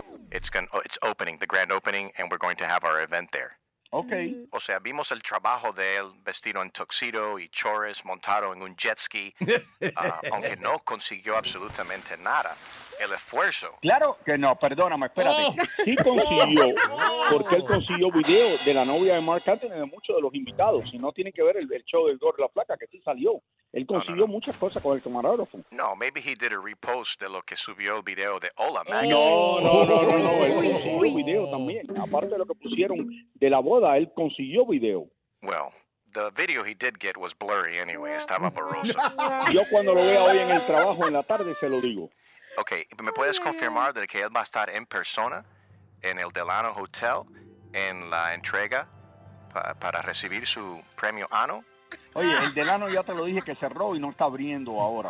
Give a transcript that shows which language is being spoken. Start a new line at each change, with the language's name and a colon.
English: It's opening, the grand opening, and we're going to have our event there. Okay.
Spanish: O sea, vimos el trabajo de él vestido en tuxedo y chores, montado en un jet ski, aunque no consiguió absolutamente nada. El esfuerzo. Claro que no, perdóname, espérate. Oh. Sí consiguió, porque él consiguió video de la novia de Mark Anthony y de muchos de los invitados. Si no, tienen que ver el show del Gordo y la Flaca, que sí salió. Él consiguió muchas cosas con el camarógrafo. No,
English: maybe he did a repost
Spanish: de lo que subió el video de Hola Magazine. No. Él consiguió video también. Aparte de lo que pusieron de la boda, él consiguió video.
English: Well, the video he did get was blurry anyway.
Spanish: Estaba borroso. Yo cuando lo vea hoy en el trabajo, en la tarde, se lo digo. Okay, ¿me puedes confirmar de que él va a estar en persona en el Delano Hotel en la entrega para recibir su premio ANO? Oye, el Delano ya te lo dije que cerró y no está abriendo ahora.